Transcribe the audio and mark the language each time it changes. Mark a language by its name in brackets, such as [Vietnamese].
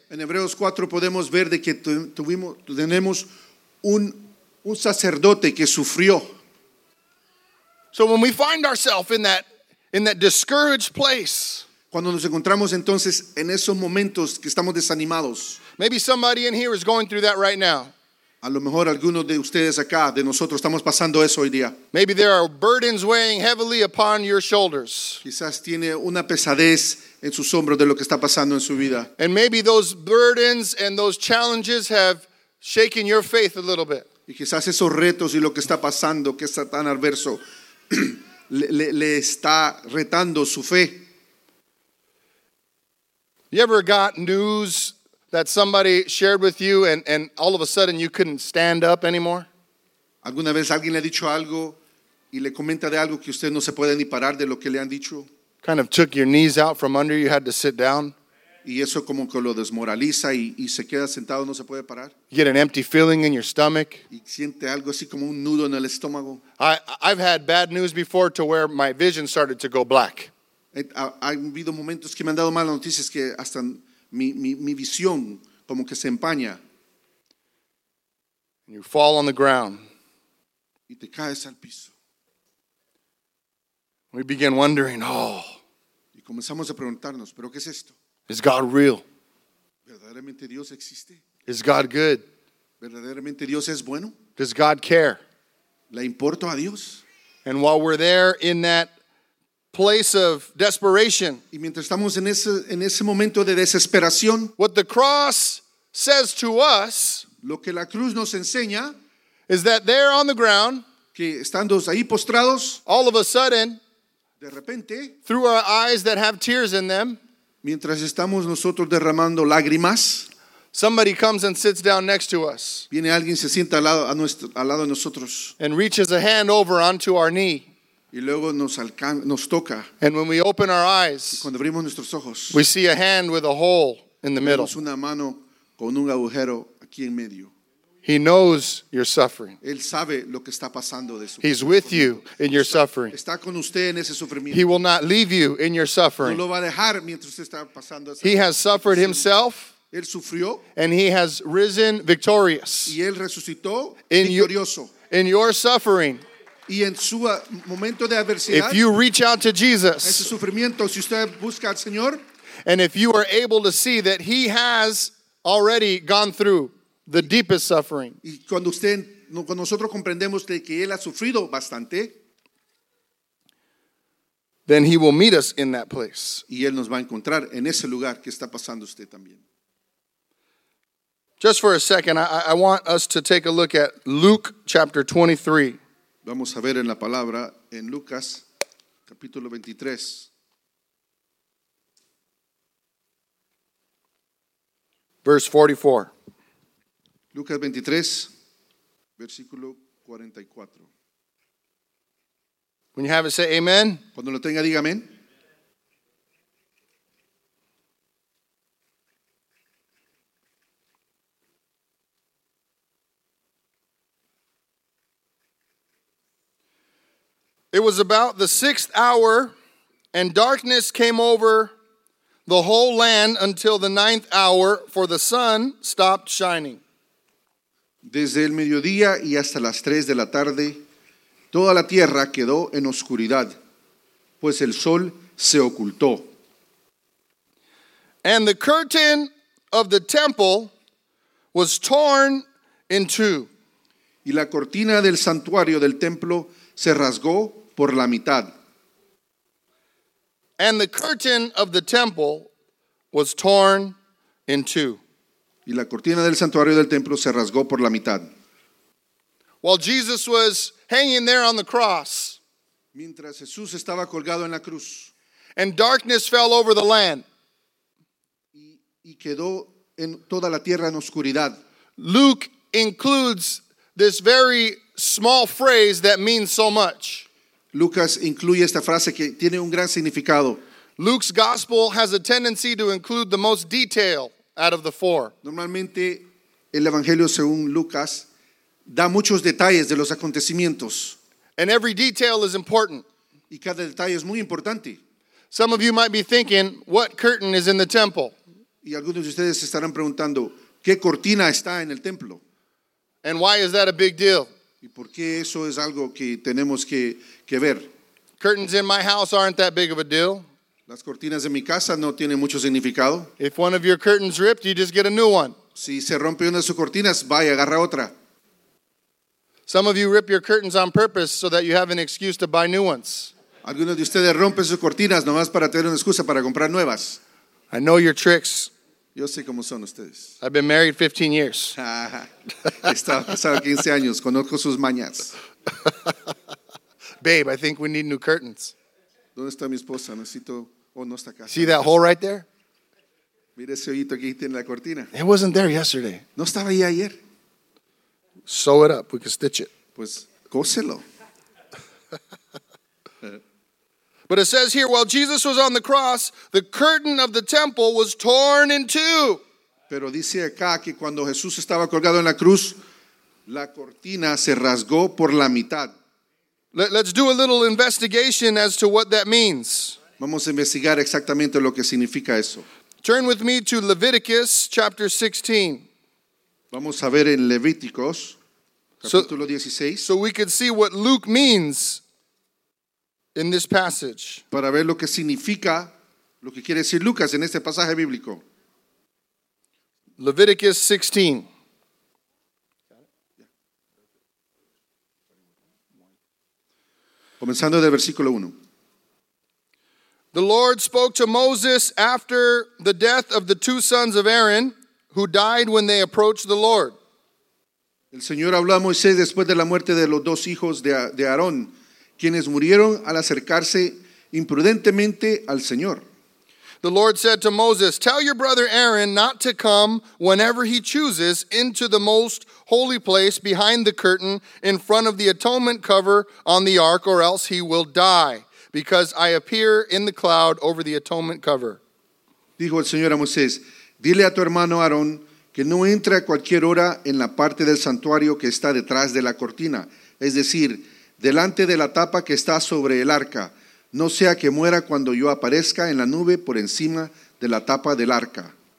[Spanish] En Hebreos 4 podemos ver de que tenemos un sacerdote que sufrió. [English] So when we find ourselves in that discouraged place, [Spanish] cuando nos encontramos entonces en esos momentos que estamos desanimados, [English] maybe somebody in here is going through that right now. [Spanish] A lo mejor algunos de ustedes acá, de nosotros, estamos pasando eso hoy día. [English] Maybe there are burdens weighing heavily upon your shoulders. [Spanish] Quizás tiene una pesadez en sus hombros de lo que está pasando en su vida. [English] And maybe those burdens and those challenges have shaken your faith a little bit. [Spanish] Y quizás esos retos y lo que está pasando, que está tan adverso, le está retando su fe. [English] You ever got news that somebody shared with you and all of a sudden you couldn't stand up anymore? [Spanish] ¿Alguna vez alguien le ha dicho algo y le comenta de algo que usted no se puede ni parar de lo que le han dicho? [English] Kind of took your knees out from under you, had to sit down. [Spanish] Y eso como que lo desmoraliza y se queda sentado, no se puede parar. [English] You get an empty feeling in your stomach. [Spanish] Y siente algo así como un nudo en el estómago. [English] I've had bad news before to where my vision started to go black. [Spanish] Ha habido momentos que me han dado malas noticias que hasta mi visión como que se empaña. [English] You fall on the ground. [Spanish] Y te caes al piso. [English] We begin wondering, oh. [Spanish] Y comenzamos a preguntarnos, ¿pero qué es esto? [English] Is God real? [Spanish] ¿Verdaderamente Dios existe? [English] Is God good? [Spanish] ¿Verdaderamente Dios es bueno? [English] Does God care? [Spanish] ¿Le importo a Dios? [English] And while we're there in that place of desperation, [Spanish] y mientras estamos en ese momento de desesperación, [English] what the cross says to us, [Spanish] lo que la cruz nos enseña, [English] is that there on the ground, [Spanish] que estando ahí postrados, [English] all of a sudden, [Spanish] de repente, [English] through our eyes that have tears in them, [Spanish] mientras estamos nosotros derramando lágrimas, [English] somebody comes and sits down next to us, [Spanish] viene alguien, se sienta al lado de nosotros, [English] and reaches a hand over onto our knee. [Spanish] Y luego nos toca. [English] And when we open our eyes, [Spanish] cuando abrimos nuestros ojos, [English] we see a hand with a hole in the middle. [Spanish] Una mano con un agujero aquí en medio. [English] He knows your suffering. [Spanish] Él sabe lo que está pasando de su. [English] He's with you in your suffering. [Spanish] Está con usted en ese sufrimiento. [English] He will not leave you in your suffering. [Spanish] No lo va a dejar mientras usted está pasando esa. [English] He has suffered himself. [Spanish] Él sufrió. [English] And he has risen victorious. [Spanish] Y él resucitó victorioso. [English] In your suffering. [Spanish] Y en su momento de adversidad, [English] if you reach out to Jesus, [Spanish] ese sufrimiento, si usted busca al Señor, [English] and if you are able to see that he has already gone through the deepest suffering, [Spanish] y cuando usted, cuando nosotros comprendemos de que él ha sufrido bastante, [English] then he will meet us in that place. [Spanish] Y él nos va a encontrar en ese lugar que está pasando usted también. [English] Just for a second, I want us to take a look at Luke chapter 23. [Spanish] Vamos a ver en la palabra en Lucas capítulo 23. [English] Verse 44. [Spanish] Lucas 23, versículo 44. [English] When you have it, say amen. [Spanish] Cuando lo tenga, diga amén. [English] It was about the sixth hour, and darkness came over the whole land until the ninth hour, for the sun stopped shining. [Spanish] Desde el mediodía y hasta las tres de la tarde, toda la tierra quedó en oscuridad, pues el sol se ocultó. [English] And the curtain of the temple was torn in two. [Spanish] Y la cortina del santuario del templo se rasgó por la mitad. [English] And the curtain of the temple was torn in two. [Spanish] Y la cortina del santuario del templo se rasgó por la mitad. [English] While Jesus was hanging there on the cross, [Spanish] mientras Jesús estaba colgado en la cruz, [English] and darkness fell over the land, [Spanish] y quedó en toda la tierra en oscuridad. [English] Luke includes this very small phrase that means so much. [Spanish] Lucas incluye esta frase que tiene un gran significado. [English] Luke's gospel has a tendency to include the most detail out of the four. [Spanish] Normalmente, el evangelio según Lucas da muchos detalles de los acontecimientos. [English] And every detail is important. [Spanish] Y cada detalle es muy importante. [English] Some of you might be thinking, what curtain is in the temple? [Spanish] Y algunos de ustedes estarán preguntando, ¿qué cortina está en el templo? [English] And why is that a big deal? [Spanish] ¿Y por qué eso es algo que tenemos que ver? [English] Curtains in my house aren't that big of a deal. [Spanish] Las cortinas de mi casa no tienen mucho significado. [English] If one of your curtains ripped, you just get a new one. [Spanish] Si se rompe una de sus cortinas, vaya, agarra otra. [English] Some of you rip your curtains on purpose so that you have an excuse to buy new ones. [Spanish] Algunos de ustedes rompen sus cortinas nomás para tener una excusa para comprar nuevas. [English] I know your tricks. [Spanish] Yo sé cómo son ustedes. [English] I've been married 15 years. [Spanish] He estado casado 15 años. Conozco sus mañas. [English] Babe, I think we need new curtains. [Spanish] ¿Dónde está mi esposa? Necesito... Oh, no está casa. [English] See that hole right there? [Spanish] Mira ese hoyito que tiene la cortina. [English] It wasn't there yesterday. [Spanish] No estaba ahí ayer. [English] Sew it up. We can stitch it. [Spanish] Pues, cóselo. [English] But it says here, while Jesus was on the cross, the curtain of the temple was torn in two. [Spanish] Pero dice acá que cuando Jesús estaba colgado en la cruz, la cortina se rasgó por la mitad. [English] Let's do a little investigation as to what that means. [Spanish] Vamos a investigar exactamente lo que significa eso. [English] Turn with me to Leviticus chapter 16. [Spanish] Vamos a ver en Levíticos, capítulo 16. [English] So we can see what Luke means in this passage. [Spanish] Para ver lo que significa, lo que quiere decir Lucas en este pasaje bíblico. [English] Leviticus 16. [Spanish] Comenzando del versículo 1. [English] The Lord spoke to Moses after the death of the two sons of Aaron, who died when they approached the Lord. [Spanish] El Señor habló a Moisés después de la muerte de los dos hijos de Aarón, quienes murieron al acercarse imprudentemente al Señor. [English] The Lord said to Moses, tell your brother Aaron not to come whenever he chooses into the most holy place behind the curtain in front of the atonement cover on the ark, or else he will die, because I appear in the cloud over the atonement cover. [Spanish] Dijo el Señor a Moisés, dile a tu hermano Aarón que no entre a cualquier hora en la parte del santuario que está detrás de la cortina, es decir, delante de la tapa que está sobre el arca, no sea que muera cuando yo aparezca en la nube por encima de la tapa del arca.